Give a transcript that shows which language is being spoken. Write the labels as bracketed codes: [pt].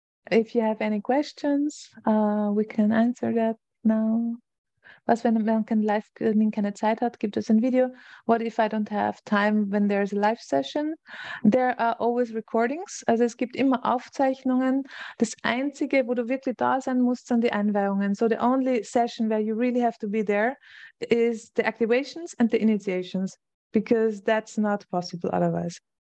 [en] If you have any questions, we can answer that now. [de] Was, wenn man keine Zeit hat, gibt es ein Video. [en] What if I don't have time when there is a live session? There are always recordings. [de] Also es gibt immer Aufzeichnungen. Das Einzige, wo du wirklich da sein musst, sind die Einweihungen. [en] So the only session where you really have to be there is the activations and the initiations, because that's not possible otherwise.